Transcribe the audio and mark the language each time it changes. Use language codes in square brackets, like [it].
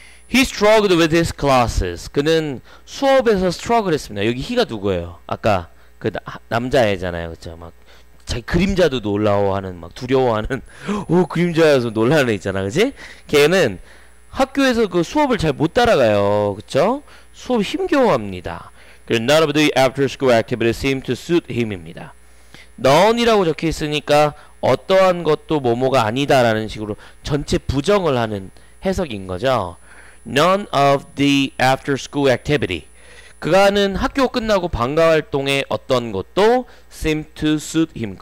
[en] He struggled with his classes. [ko] 그는 수업에서 struggle 했습니다. 여기 he가 누구예요? 아까 그 남자애잖아요. 그쵸? 막 자기 그림자도 놀라워하는, 막 두려워하는 오, 그림자여서 놀라는 애 있잖아. 그치? 걔는 학교에서 그 수업을 잘 못 따라가요. 그쵸? 수업 힘겨워합니다. [en] None of the after school activities seem to suit him입니다. [ko] None이라고 적혀있으니까 어떠한 것도 뭐뭐가 아니다 라는 식으로 전체 부정을 하는 해석인 거죠. [en] None of the after school activity. [ko] 그가 하는 학교 끝나고 방과활동의 어떤 것도 [en] seem to suit him.